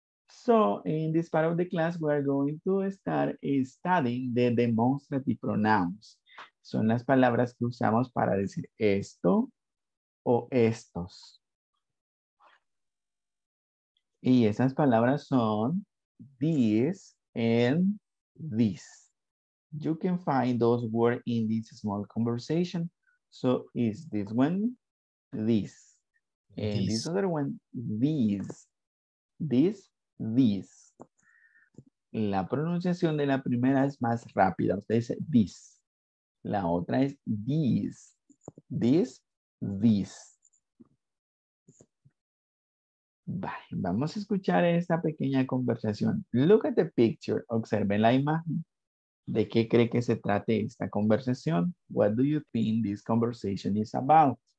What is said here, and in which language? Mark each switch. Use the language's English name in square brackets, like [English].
[English] So, in this part of the class, we are going to start studying the demonstrative pronouns. [Spanish] Son las palabras que usamos para decir esto o estos. Y esas palabras son [English] this and this. You can find those words in this small conversation. So, is this one this? And this other one, these. This, this. [Spanish] La pronunciación de la primera es más rápida. Usted dice this. La otra es these. [English] This, this. [Spanish] Vale, vamos a escuchar esta pequeña conversación. [English] Look at the picture. [Spanish] Observen la imagen. ¿De qué cree que se trate esta conversación? [English] What do you think this conversation is about?